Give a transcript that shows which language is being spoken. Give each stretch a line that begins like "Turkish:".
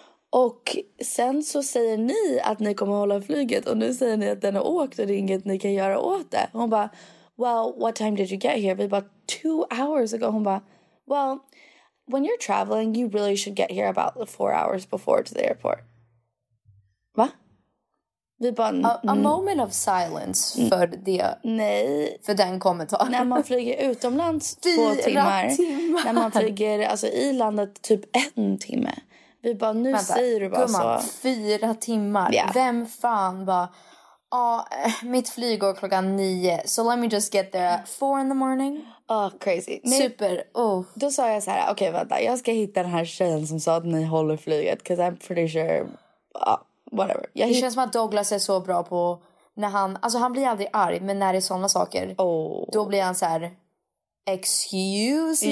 Swedish: Och sen så säger ni att ni kommer hålla flyget. Och nu säger ni att den har åkt och det är inget ni kan göra åt det. Hon bara,
English: well, what time did you get here?
Swedish: Vi bara,
English: 2 hours ago.
Swedish: Hon bara,
English: well, when you're traveling, you really should get here about 4 hours before to the airport.
Swedish: Va? Bara,
English: a moment of silence
Swedish: för det. Nej. För den kommentaren. När man flyger utomlands 2 timmar. När man flyger alltså, i landet typ 1 timme. Vi bara, nu vänta, säger du bara gumman, så. 4 timmar.
English: Yeah.
Swedish: Vem fan bara, ja, mitt flyg går 9.
English: So let me just get there at 4 in the morning. Oh, crazy.
Swedish: Men, super. Oh. Då sa jag så här, okej, vänta. Jag ska hitta den här tjejen som sa att ni håller flyget.
English: Because I'm pretty sure, whatever.
Swedish: Jag det känns som att Douglas är så bra på när han, alltså han blir aldrig arg, men när det är såna saker, oh, då blir han så här,
English: excuse me.